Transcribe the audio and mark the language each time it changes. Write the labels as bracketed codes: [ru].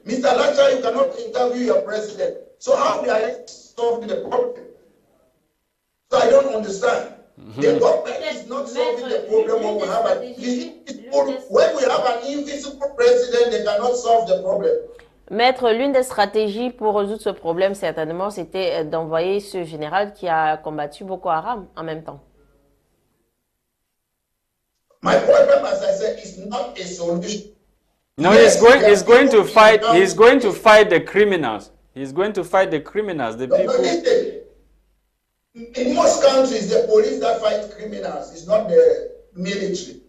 [en] Mr. Lasha, you cannot interview your president. So how are they solving the problem? So I don't understand. Mm-hmm. The government is not solving the problem when we have an invisible. When we have an invisible president, they cannot solve the problem. [fr] Maître, l'une des stratégies pour résoudre ce problème, certainement, c'était d'envoyer ce général qui a combattu Boko Haram en même temps. [en] My problem, as I said, is not a solution. No, yes, he's going to fight the criminals. He's going to fight the criminals, the people. In most countries, the police that fight criminals is not the military.